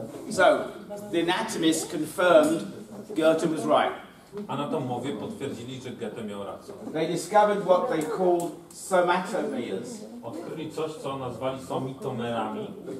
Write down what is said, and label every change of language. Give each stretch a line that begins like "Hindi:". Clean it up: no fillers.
English: So, the anatomist confirmed Goethe was right.
Polish: Anatomowie potwierdzili, że Goethe miał rację.
English: They discovered what they called somatomeres.
Polish: Odkryli coś, co nazwali somitomerami.